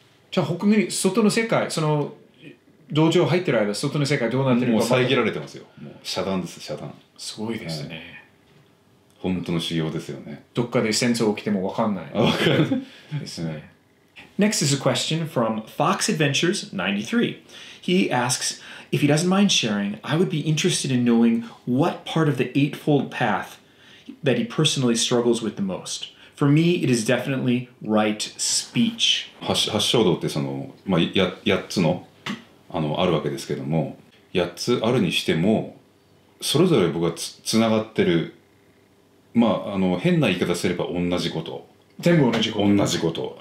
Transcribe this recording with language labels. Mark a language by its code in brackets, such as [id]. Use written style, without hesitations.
[ja] じゃあ外の世界、その道場入ってる間外の世界どうなってるか、もう遮られてますよ。もう遮断です、遮断。すごいですね、はい、本当の修行ですよね。どっかで戦争起きても分かんないですね。 [en] Next is a question from Fox Adventures 93. He asks, if he doesn't mind sharing, I would be interested in knowing what part of the Eightfold Path that he personally struggles with the most. For me, it is definitely right speech. [ja] 八正道ってその、まあ、八つのあるわけですけども、八つあるにしても、それぞれ僕がつながってる、まあ、変な言い方すれば同じこと。全部同じこと。同じこと。